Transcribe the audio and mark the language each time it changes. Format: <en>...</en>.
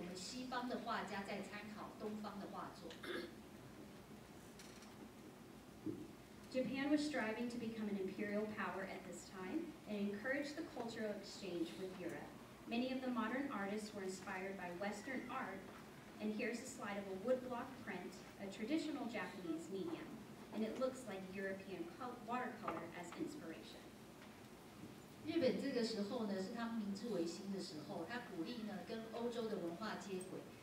<zh>左边是日本的版画，是1857年的。右边是梵谷呢，模仿这幅版画，用油画颜料做的画作。那这个就是我们西方的画家在参考东方的画作。</zh> <en>Japan was striving to become an imperial power at this time and encouraged the cultural exchange with Europe. Many of the modern artists were inspired by Western art, and here's a slide of a woodblock print, a traditional Japanese medium, and it looks like European watercolor as inspiration.</en> <zh>日本这个时候呢，是他们明治维新的时候，他鼓励呢跟欧洲的文化接轨。</zh>